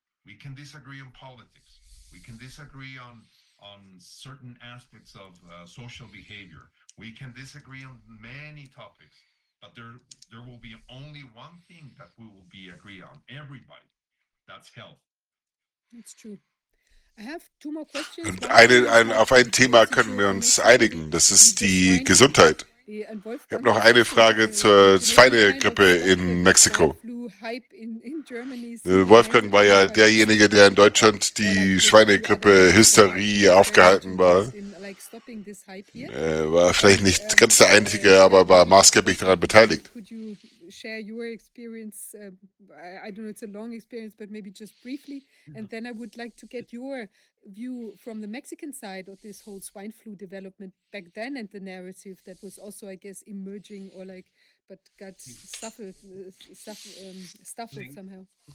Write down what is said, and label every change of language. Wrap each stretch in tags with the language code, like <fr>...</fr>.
<en>We can disagree on politics, we can disagree on certain aspects of social behavior, we can disagree on many topics, But there will be only one thing that we will be agree on, everybody. That's health. That's true. I have two more questions.</en> <de>Und auf ein Thema können wir uns einigen. Das ist die Gesundheit. Ich habe noch eine Frage zur Schweinegrippe in Mexiko. Wolfgang war ja derjenige, der in Deutschland die Schweinegrippe-Hysterie aufgehalten war. War vielleicht nicht ganz der Einzige, aber war maßgeblich daran beteiligt.</de> <en>Share your experience. I don't know, it's a long experience, but maybe just briefly. And then I would like to get your view from the Mexican side of this whole swine flu development back then and the narrative that was also, I guess, emerging or like, but got stifled somehow.</en>